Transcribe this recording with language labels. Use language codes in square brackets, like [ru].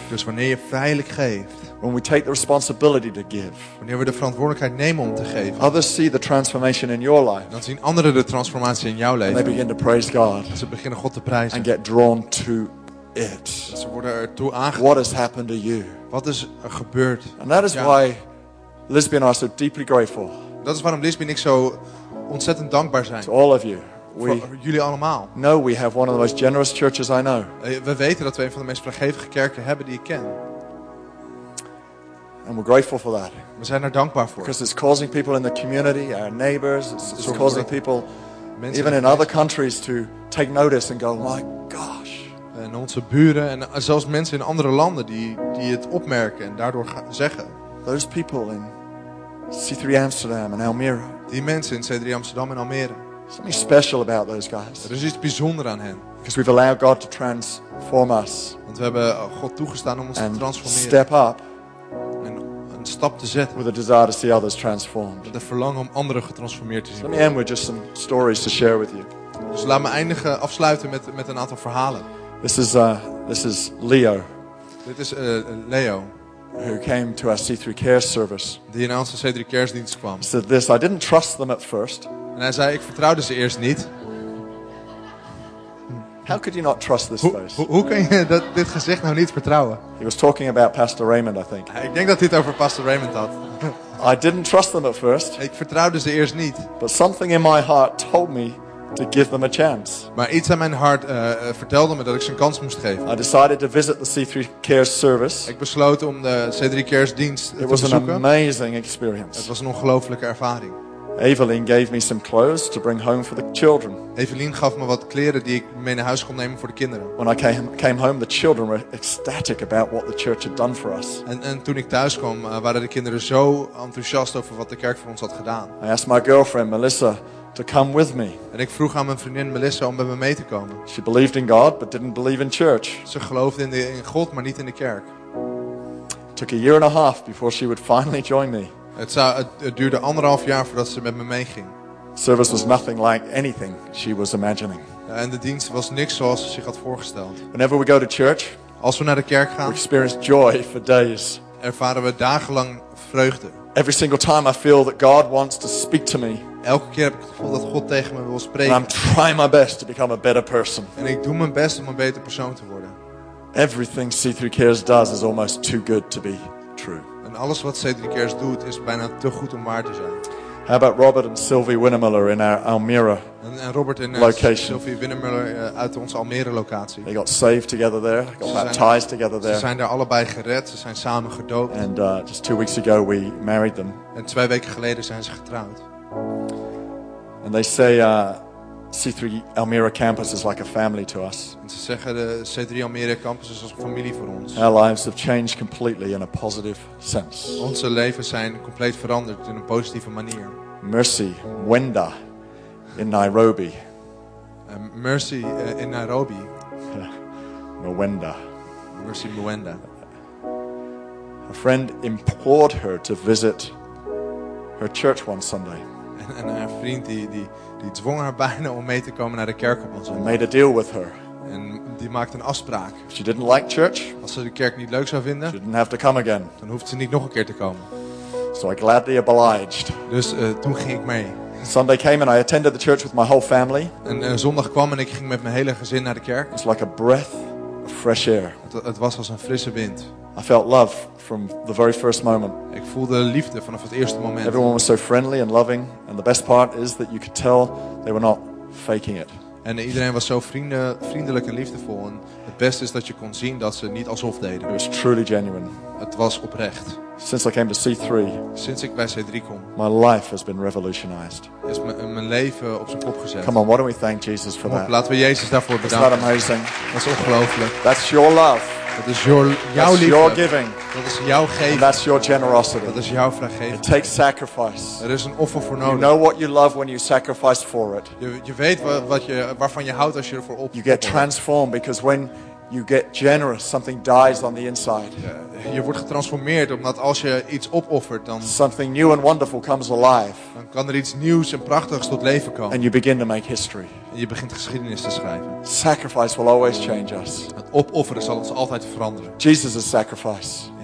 [nl] dus wanneer je vrijelijk geeft, [en] when we take the responsibility to give, [nl] wanneer we de verantwoordelijkheid nemen om te geven, [en] others see the transformation in your life, [nl] dan zien anderen de transformatie in jouw leven, [en] and they begin to praise God, [nl] ze beginnen God te prijzen, [en] and get drawn to it. [nl] Ze worden ertoe aangetrokken. [en] What has happened to you? [nl] Wat is er gebeurd? [en] And that is why Lisby and I are so deeply grateful. [nl] Dat is waarom Lisby en ik zo ontzettend dankbaar zijn. [en] To all of you. We have one of the most generous churches I know. [nl] We weten dat we een van de meest vrijgevige kerken hebben die ik ken. [en] And we're grateful for that. [nl] We zijn er dankbaar voor. [en] Because it's causing people in the community, our neighbors, it's causing people, even in other countries, to take notice and go, my gosh. [nl] En onze buren en zelfs mensen in andere landen die het opmerken en daardoor zeggen. [en] Those people in C3 Amsterdam and Almere. [nl] Die mensen in C3 Amsterdam en Almere. [en] Something special about those guys. [nl] Er is iets bijzonder aan hen. [en] Because we've allowed God to transform us. [nl] Want we hebben God toegestaan om ons te transformeren. [en] And step up. [nl] En een stap te zetten. [en] With a desire to see others transformed. [nl] Met de verlangen om anderen getransformeerd te zien. [en] Let me end with just some stories to share with you. [nl] Dus laat me afsluiten met een aantal verhalen. [en] This is Leo. [nl] Dit is Leo. [en] Who came to our C3 Care service. [nl] Die in onze C3 Care dienst kwam. [en] He said this, I didn't trust them at first. [nl] En hij zei, ik vertrouwde ze eerst niet. [en] How could you not trust this place? [nl] Hoe kan je dit gezicht nou niet vertrouwen? [en] He was talking about Pastor Raymond, I think. [nl] Ik denk dat hij het over Pastor Raymond had. [en] I didn't trust them at first. [nl] Ik vertrouwde ze eerst niet. [en] But something in my heart told me to give them a chance. [nl] Maar iets aan mijn hart vertelde me dat ik ze een kans moest geven. [en] I decided to visit the C3 Cares service. [nl] Ik besloot om de C3 Cares dienst te bezoeken. [en] It was an amazing experience. [nl] Het was een ongelooflijke ervaring. [en] Evelyn gave me some clothes to bring home for the children. [nl] Evelyn gaf me wat kleren die ik mee naar huis kon nemen voor de kinderen. [en] When I came home, the children were ecstatic about what the church had done for us. [nl] En toen ik thuis kwam, waren de kinderen zo enthousiast over wat de kerk voor ons had gedaan. [en] I asked my girlfriend Melissa to come with me. [nl] En ik vroeg aan mijn vriendin Melissa om bij me mee te komen. [en] She believed in God but didn't believe in church. [nl] Ze geloofde in God maar niet in de kerk. [en] It took a year and a half before she would finally join me. [nl] Het duurde anderhalf jaar voordat ze met me meeging. [en] Service was nothing like anything she was imagining. [nl] En de dienst was niks zoals ze zich had voorgesteld. [en] Whenever we go to church, [nl] als we naar de kerk gaan, [en] we experience joy for days. [nl] Ervaren we dagenlang vreugde. [en] Every single time I feel that God wants to speak to me. [nl] Elke keer heb ik het gevoel dat God tegen me wil spreken. [en] And I'm trying my best to become a better person. [nl] En ik doe mijn best om een beter persoon te worden. [en] Everything C3 Cares does is almost too good to be true. [nl] En alles wat C3 Cares doet is bijna te goed om waar te zijn. [en] How about Robert and Sylvie Winnemuller in our Almere [nl] en Robert en [en] location. [nl] Sylvie Winnemuller uit onze Almere locatie. [en] They got saved together there, got baptized together there. [nl] Ze zijn daar allebei gered, ze zijn samen gedoopt. [en] And just 2 weeks ago we married them. [nl] En 2 weken geleden zijn ze getrouwd. [en] And they say C3 Almere campus is like a family to us. [nl] En ze zeggen de C3 Almere campus is als familie voor ons. [en] Our lives have changed completely in a positive sense. [nl] Onze levens zijn compleet veranderd in een positieve manier. [en] Mercy, Wenda, in Nairobi. [nl] Mercy in Nairobi. Mwenda. Mercy Mwenda. [en] A friend implored her to visit her church one Sunday. [nl] En haar vriend die dwong haar bijna om mee te komen naar de kerk op een zondag. [en] Made a deal with her. [nl] En die maakte een afspraak. [en] If she didn't like church. [nl] Als ze de kerk niet leuk zou vinden. [en] She didn't have to come again. [nl] Dan hoeft ze niet nog een keer te komen. [en] So I gladly obliged. [nl] Dus toen ging ik mee. [en] Sunday came and I attended the church with my whole family. [nl] En zondag kwam en ik ging met mijn hele gezin naar de kerk. [en] It's like a breath of fresh air. [nl] Het was als een frisse wind. [en] I felt love from the very first moment. [nl] Ik voelde liefde vanaf het eerste moment. [en] Everyone was so friendly and loving, and the best part is that you could tell they were not faking it. [nl] En iedereen was zo vriendelijk en liefdevol. En het beste is dat je kon zien dat ze niet alsof deden. [en] It was truly genuine. [nl] Het was oprecht. [en] Since I came to C3, [nl] sinds ik bij C3 kom, [en] my life has been revolutionized. [nl] Is mijn leven op zijn kop gezet. [en] Come on, why don't we thank Jesus for that? [nl] Laten we Jezus daarvoor bedanken. [en] Isn't that amazing? [nl] Dat is ongelooflijk. [en] That's your love. [nl] Dat is jouw [en] that's [nl] liefde. [en] Your giving. [nl] Dat is jouw geven. [en] And that's your generosity. [nl] Dat is jouw vrijgeven. [en] It takes sacrifice. [nl] Er is een offer voor nodig. [en] You know what you love when you sacrifice for it. [nl] Je weet waarvan je houdt als je ervoor opgeeft. [en] You get transformed because when you get generous, something dies on the inside. [nl] Je wordt getransformeerd omdat als je iets opoffert, dan [en] something new and wonderful comes alive. [nl] Dan kan er iets nieuws en prachtigs tot leven komen. [en] And you begin to make history. [nl] Je begint geschiedenis te schrijven. [en] Sacrifice will always change us. [nl] Het opofferen zal ons altijd veranderen. [en] Jesus is sacrifice.